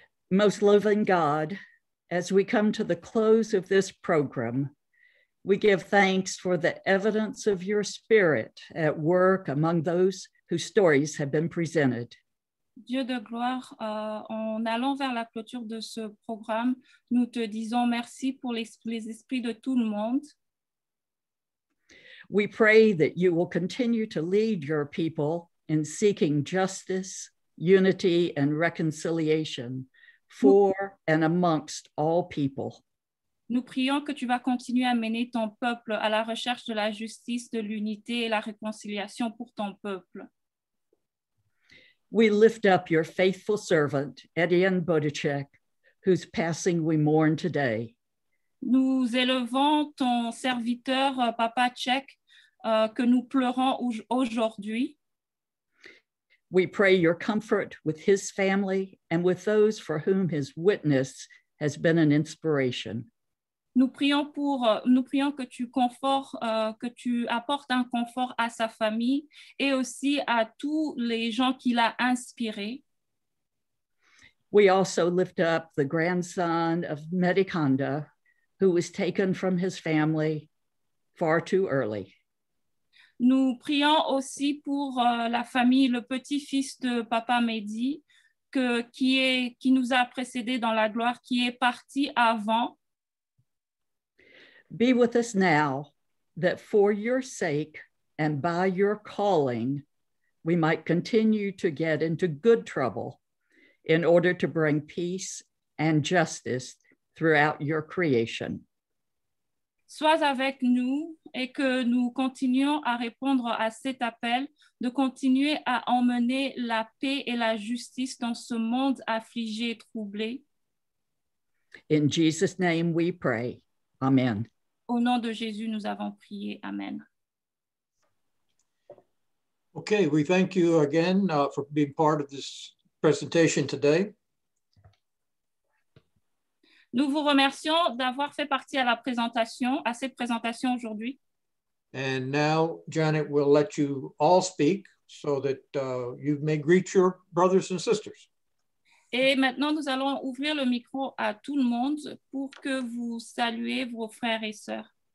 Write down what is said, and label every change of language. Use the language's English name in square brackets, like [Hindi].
[English] Most loving God, as we come to the close of this program, we give thanks for the evidence of your spirit at work among those whose stories have been presented. [French] Dieu de gloire, en allant vers la clôture de ce programme, nous te disons merci pour les esprits de tout le monde. [English] We pray that you will continue to lead your people in seeking justice, unity, and reconciliation for and amongst all people. [French] Nous prions que tu vas continuer à mener ton peuple à la recherche de la justice, de l'unité et la réconciliation pour ton peuple. [English] We lift up your faithful servant, Etienne Bodicek, whose passing we mourn today. [French] Nous élevons ton serviteur, Papa Tchèque, que nous pleurons aujourd'hui. [English] We pray your comfort with his family and with those for whom his witness has been an inspiration. [French] Nous prions que tu confortes, que tu apportes un confort à sa famille et aussi à tous les gens qu'il a inspirés. [English] We also lift up the grandson of Medikanda, who was taken from his family far too early. [French] Nous prions aussi pour la famille, le petit-fils de Papa Mehdi, qui nous a précédés dans la gloire, qui est parti avant. [English] Be with us now, that for your sake and by your calling, we might continue to get into good trouble in order to bring peace and justice throughout your creation. [French] Sois avec nous et que nous continuions à répondre à cet appel de continuer à emmener la paix et la justice dans ce monde affligé et troublé. [English] In Jesus' name we pray. Amen. [French] Au nom de Jésus, nous avons prié. Amen. [English] Okay, we thank you again for being part of this presentation today. [French] Nous vous remercions d'avoir fait partie à cette présentation aujourd'hui. [English] And now Janet will let you all speak so that you may greet your brothers and sisters. [French] Et maintenant nous allons ouvrir le micro à tout le monde pour que vous saluiez vos frères et sœurs.